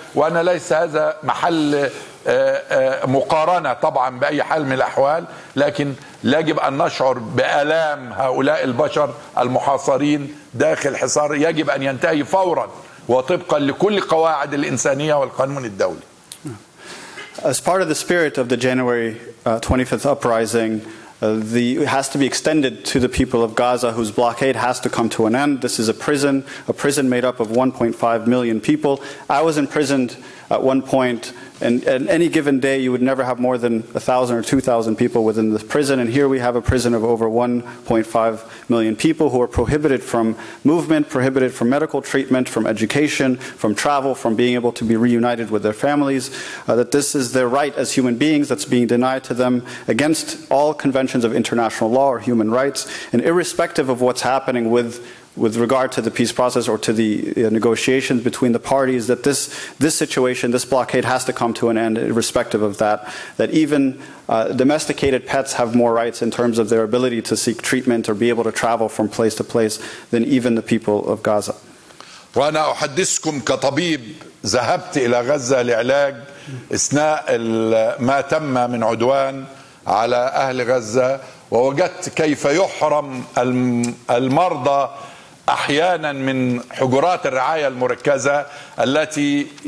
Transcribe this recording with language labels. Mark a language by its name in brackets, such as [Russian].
[Arabic] وأنا ليس هذا محل مقارنة طبعا بأي حال من الأحوال، لكن يجب أن نشعر بآلام هؤلاء البشر المحاصرين داخل حصار يجب أن ينتهي فورا وطبقا لكل قواعد الإنسانية والقانون الدولي. [English] As part of the spirit of the January 25th uprising, the, it has to be extended to the people of Gaza, whose blockade has to come to an end. This is a prison made up of 1.5 million people. I was imprisoned at one point, and at any given day, you would never have more than 1,000 or 2,000 people within this prison. And here we have a prison of over 1.5 million people who are prohibited from movement, prohibited from medical treatment, from education, from travel, from being able to be reunited with their families, that this is their right as human beings that's being denied to them against all conventions of international law or human rights. And irrespective of what's happening with regard to the peace process or to the negotiations between the parties, that this situation, this blockade, has to come to an end irrespective of that. That even domesticated pets have more rights in terms of their ability to seek treatment or be able to travel from place to place than even the people of Gaza. [Arabic] وأنا أحدثكم كطبيب ذهبت إلى غزة لعلاج إثناء ما تم من عدوان على أهل غزة ووجدت كيف يحرم المرضى أحيانا من حجرات الرعاية المركزة التي